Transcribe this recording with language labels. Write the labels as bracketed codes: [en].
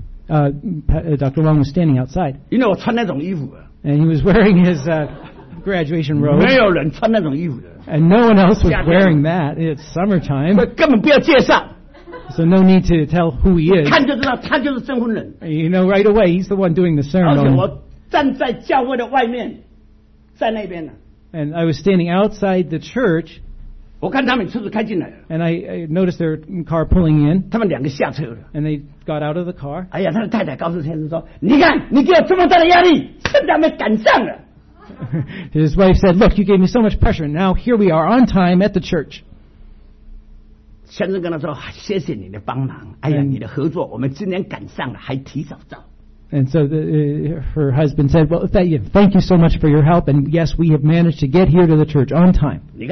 [en] Dr. Wong was standing outside. You know, [zh] 我穿那种衣服, [en] and he was wearing his graduation robe. [zh] 没有人穿那种衣服, [en] and no one else was wearing that. It's summertime. [zh] 根本不要介绍, [en] so no need to tell who he is. [zh] 我看就知道他就是证婚人, [en] you know right away he's the one doing the ceremony. [zh] 而且我站在教会的外面, 在那边啊, [en] and I was standing outside the church. [zh] 我看他们车子开进来了, [en] and I noticed their car pulling in. [zh] 他们两个下车了, [en] and they got out of the car. [zh] 哎呀, 他的太太告诉先生说, 你看, 你给我这么大的压力, 现在还没赶上了。 [en] His wife said, look, you gave me so much pressure. Now here we are on time at the church. [zh] 先生跟他说, 谢谢你的帮忙, 哎呀, 你的合作, 我们今天赶上了, 还提早到。 [en] And so her husband said, well, thank you so much for your help. And yes, we have managed to get here to the church on time.